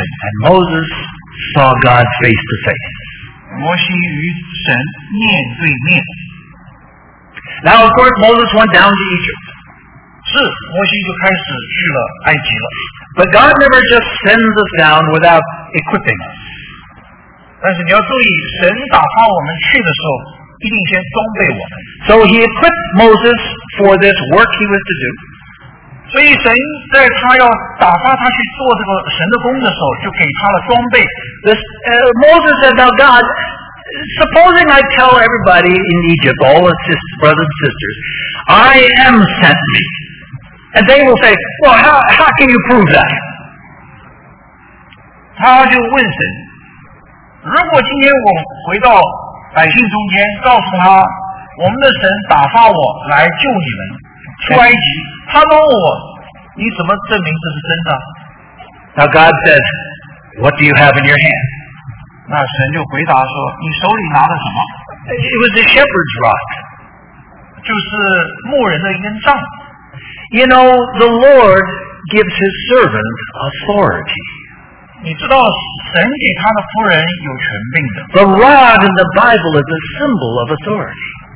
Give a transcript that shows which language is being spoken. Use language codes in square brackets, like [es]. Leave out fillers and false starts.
[en] and Moses saw God face to face. [zh] 摩西与神面对面。 [en] Now, of course, Moses went down to Egypt. [zh] 是, 摩西就开始去了埃及了。 [en] But God never just sends us down without equipping us. [zh] 但是你要注意，神打发我们去的时候，一定先装备我们。 [en] So he equipped Moses for this work he was to do. [zh] 所以神在他要打发他去做这个神的工的时候，就给他了装备。 [en] This Moses said, "Now God, supposing I tell everybody in Egypt, all the brothers and sisters, I am sent me. And they will say, well, how can you prove that? [zh] 他就问神, 如果今天我回到百姓中间, 告诉他, 我们的神打发我来救你们, 出埃及, 他问我, 你怎么证明这是真的? [en] Now God says, what do you have in your hand? [zh] 那神就回答说, 你手里拿了什么? [en] It was the shepherd's rod. [zh] 就是牧人的一根杖。 [en] You know, the Lord gives his servant authority. [zh] 你知道神给他的仆人有权柄的。 [en] The rod in the Bible is a symbol of authority.